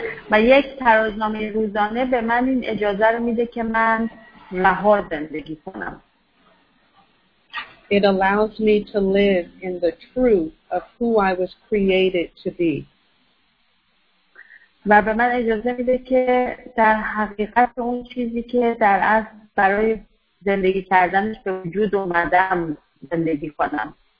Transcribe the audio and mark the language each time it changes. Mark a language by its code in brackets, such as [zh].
[fa] و یک ترازنامه روزانه به من این اجازه رو میده که من رها زندگی کنم. [en] It allows me to live in the truth of who I was created to be. [fa] و به من اجازه میده که در حقیقت اون چیزی که در اصل برای زندگی کردنش به وجود اومدم زندگی کنم.